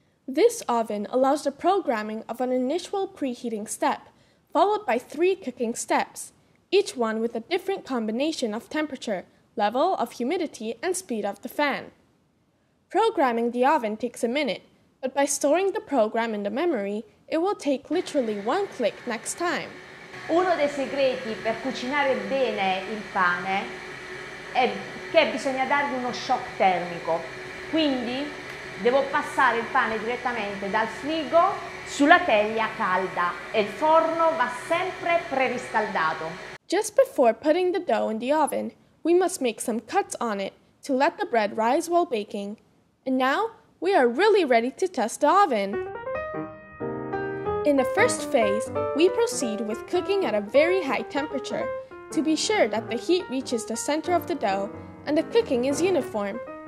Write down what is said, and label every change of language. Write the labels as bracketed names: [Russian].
[English] This oven allows the programming of an initial preheating step, followed by three cooking steps, each one with a different combination of temperature, level of humidity, and speed of the fan. Programming the oven takes a minute, but by storing the program in the memory, it will take literally one click next time. [Italian] Uno dei segreti per cucinare bene il pane è che bisogna dargli uno shock termico. Quindi devo passare il pane direttamente dal frigo sulla teglia calda e il forno va sempre preriscaldato. [English] Just before putting the dough in the oven, we must make some cuts on it to let the bread rise while baking. And now, we are really ready to test the oven. In the first phase, we proceed with cooking at a very high temperature to be sure that the heat reaches the center of the dough and the cooking is uniform.